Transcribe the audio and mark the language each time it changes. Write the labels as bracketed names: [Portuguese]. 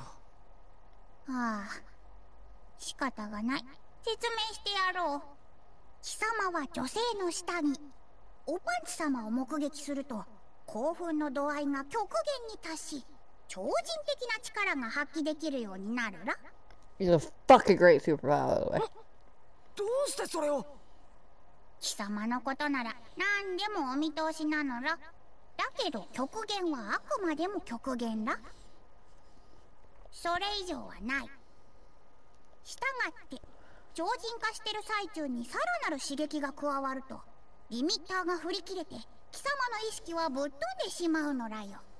[Japanese] ああ、仕方がない。説明してやろう。貴様は女性の下に。おパンツ様を目撃すると興奮の度合いが極限に達し、超人的な力が発揮できるようになるら。 [English] He's a fucking great superpower, by the way. [Japanese] どうしてそれを。貴様のことなら何でもお見通しなのら。だけど極限はあくまでも極限ら。それ以上はない。したがって超人化してる最中にさらなる刺激が加わるとリミッターが振り切れて貴様の意識はぶっ飛んでしまうのらよ。